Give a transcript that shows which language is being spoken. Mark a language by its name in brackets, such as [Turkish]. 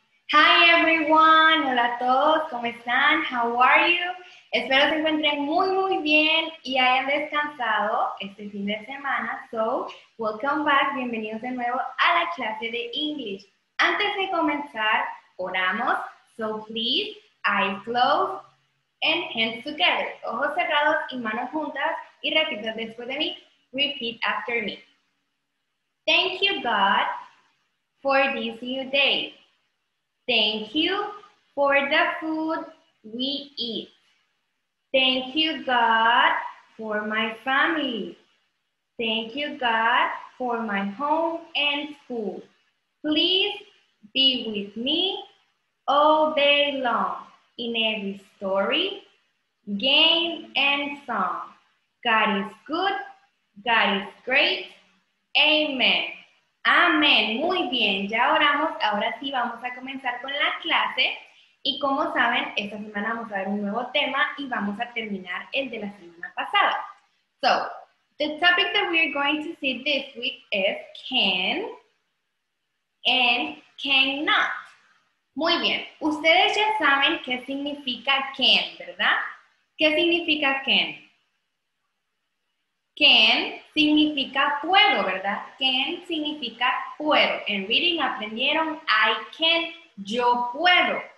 [English] Hi everyone, [Spanish] hola a todos, ¿cómo están? [English] How are you? [Spanish] Espero se encuentren muy muy bien y hayan descansado este fin de semana. [English] So, welcome back, [Spanish] bienvenidos de nuevo a la clase de English. Antes de comenzar, oramos. [English] So please, eyes closed and hands together. [Spanish] Ojos cerrados y manos juntas y repito después de mí. [English] Repeat after me. Thank you, God, for this new day. Thank you for the food we eat. Thank you, God, for my family. Thank you, God, for my home and school. Please be with me all day long in every story, game, and song. God is good. God is great. Amen. Amén. [Spanish] Muy bien, ya oramos. Ahora sí vamos a comenzar con la clase. Y como saben, esta semana vamos a ver un nuevo tema y vamos a terminar el de la semana pasada. [English] So, the topic that we are going to see this week is can and cannot. [Spanish] Muy bien, ustedes ya saben qué significa can, ¿verdad? ¿Qué significa can? Can significa puedo, ¿verdad? Can significa puedo. En reading aprendieron [English] I can, [Spanish] yo puedo.